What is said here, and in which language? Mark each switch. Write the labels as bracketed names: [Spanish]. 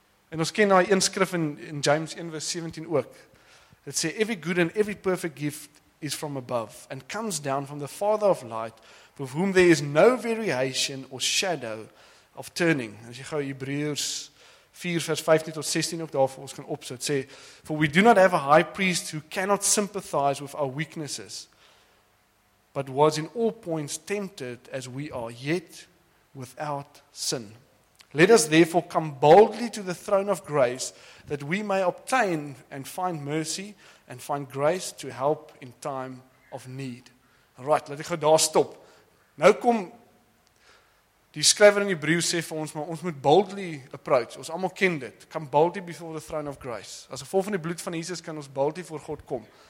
[Afrikaans] En ons ken daai een skrif in James 1 vers 17 ook. Dit sê, [English] every good and every perfect gift is from above, and comes down from the Father of light, with whom there is no variation or shadow of turning. [Afrikaans] As jy gou Hebreërs 4 vers 15 tot 16 ook daarvoor ons kan opsit, sê, [English] for we do not have a high priest who cannot sympathize with our weaknesses, but was in all points tempted as we are, yet without sin. Let us therefore come boldly to the throne of grace, that we may obtain and find mercy and find grace to help in time of need. Right, [Afrikaans] let ek gou daar stop. Nou kom die skrywer in Hebreë sê vir ons, maar ons moet [English] boldly approach. [Afrikaans] Ons almal ken dit. [English] Come boldly before the throne of grace. [Afrikaans] As gevolg van die bloed van Jesus kan ons boldly voor God kom.